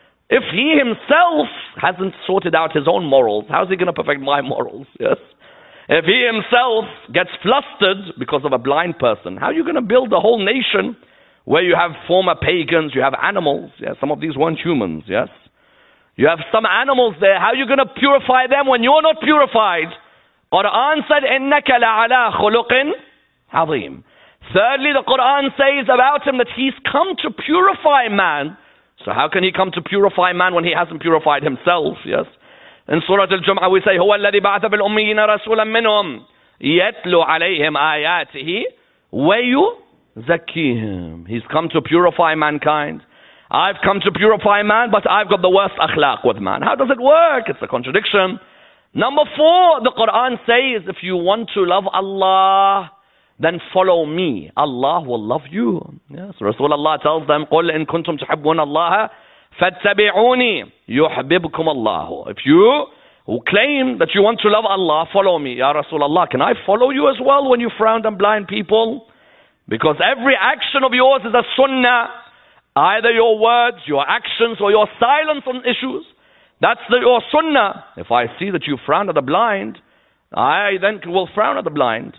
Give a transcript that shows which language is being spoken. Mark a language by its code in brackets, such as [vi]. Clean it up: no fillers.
[en] If he himself hasn't sorted out his own morals, how is he going to perfect my morals? Yes. If he himself gets flustered because of a blind person, how are you going to build a whole nation where you have former pagans, you have animals? Yeah, some of these weren't humans, yes? You have some animals there. How are you going to purify them when you're not purified? Quran said, [ar] إِنَّكَ لَعَلَىٰ خُلُقٍ عَظِيمٍ. [en] Thirdly, the Quran says about him that he's come to purify man. So how can he come to purify man when he hasn't purified himself, yes? In Surah Al-Jum'ah, we say, [ar] هُوَ الَّذِي بَعْثَ بِالْأُمِّيِّنَ رَسُولًا مِّنْهُمْ يَتْلُ عَلَيْهِمْ آيَاتِهِ وَيُّ Zakihim. [en] He's come to purify mankind. I've come to purify man, but I've got the worst akhlaq with man. How does it work? It's a contradiction. Number four, the Quran says, if you want to love Allah, then follow me. Allah will love you. Yes, Rasulullah tells them, [ar] قُلْ إِن كُنْتُمْ تُحِبُّونَ اللَّهَ فَاتَّبِعُونِي يُحْبِبْكُمَ اللَّهُ. [en] If you who claim that you want to love Allah, follow me. Ya Rasulullah, can I follow you as well when you frown on blind people? Because every action of yours is a sunnah, either your words, your actions, or your silence on issues. That's your sunnah. If I see that you frown at the blind, I then will frown at the blind.